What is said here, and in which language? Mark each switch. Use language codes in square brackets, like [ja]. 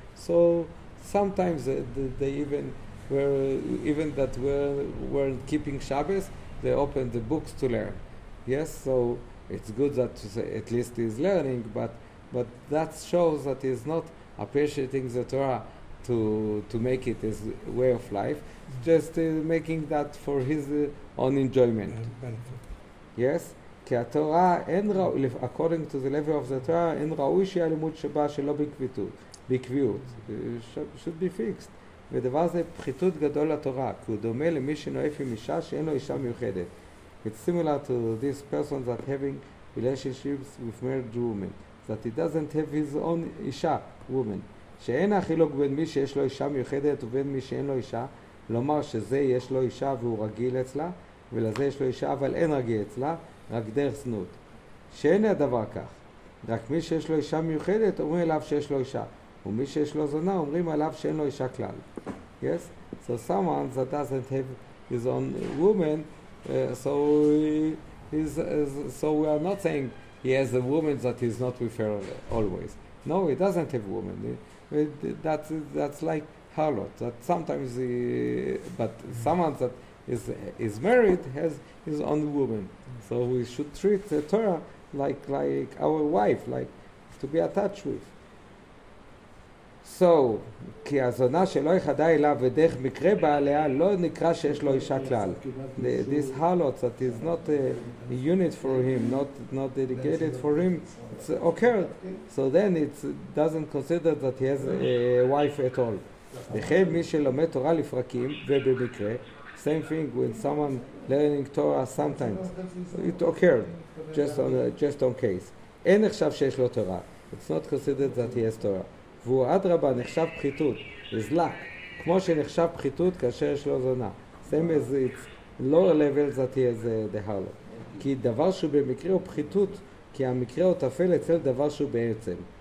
[en] So sometimes they even. Even that we weren't keeping Shabbos, they opened the books to learn. Yes, so it's good that at least he's learning, but that shows that he's not appreciating the Torah to make it his way of life, just making that for his own enjoyment. [he] Yes, כי התורה אין ראוי, [en] according to the level of the Torah, [he] אין ראוי שיהיה לימוד שבא שלא בקביעות. [en] בקביעות, should be fixed. [he] ודבר זה פחיתות גדול לתורה, כי הוא דומה למי שנואף עם אישה שאין לו אישה מיוחדת. [en] It's similar to this person that having relationships with married woman, that he doesn't have his own אישה, woman. [he] שאין החילוק בין מי שיש לו אישה מיוחדת ובין מי שאין לו אישה, לומר שזה יש לו אישה והוא רגיל אצלה, ולזה יש לו אישה אבל אין רגיל אצלה, רק דרך זנות. שאין הדבר כך, רק מי שיש לו אישה מיוחדת אומר אליו שיש לו אישה. ומי שיש לו זונה אומרים עליו שאין לו אישה כלל. [en] Yes? So someone that doesn't have his own woman, so we are not saying he has a woman that is not with her always. No, he doesn't have a woman. That's like harlot, that sometimes he, but someone that is married has his own woman. So we should treat the Torah like our wife, like to be attached with. [he] So, כי הזונה שלא יחדה אליו ודרך מקרה בעליה לא נקרא שיש לו אישה כלל. [en] This harlot that is not a unit for him, not dedicated for him, it's occurred. So then it doesn't consider that he has a wife at all. [he] וכן מי שלומד תורה לפרקים ובמקרה, [en] same thing with someone learning Torah sometimes. It occurred, just on case. [he] אין עכשיו שיש לו תורה. [en] It's not considered that he has Torah. [he] והוא עד רבה נחשב פחיתות, [en] is luck, [he] כמו שנחשב פחיתות כאשר יש לו זונה. [en] Same as it's lower level that he has the harlot. [he] כי דבר שהוא במקרה הוא פחיתות, כי המקרה הוא תפל אצל דבר שהוא בעצם.